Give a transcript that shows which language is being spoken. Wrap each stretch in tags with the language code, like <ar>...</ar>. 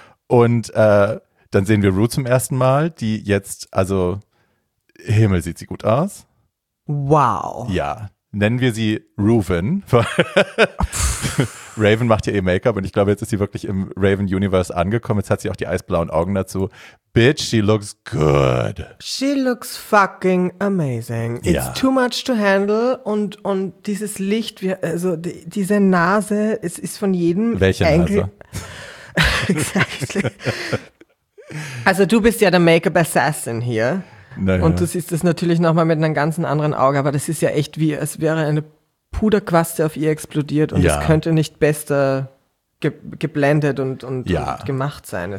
<de>Und dann sehen wir Rue zum ersten Mal, die jetzt, also Himmel, sieht sie gut aus. Wow. Ja, nennen wir sie Reuven. Raven macht ja ihr Make-up und ich glaube, jetzt ist sie wirklich im Raven-Universe angekommen. Jetzt hat sie auch die eisblauen Augen dazu.</de> <en>Bitch, she looks good. She looks fucking amazing.</en> <de>Ja.</de> <en>It's too much to handle</en> <de>und dieses Licht, also diese Nase, es ist von jedem. Welche Nase? Exactly. Also du bist ja der Make-up-Assassin hier. Naja. Und du siehst es natürlich nochmal mit einem ganz anderen Auge, aber das ist ja echt wie, es wäre eine Puderquaste auf ihr explodiert und es könnte nicht besser geblendet und gemacht sein.</de>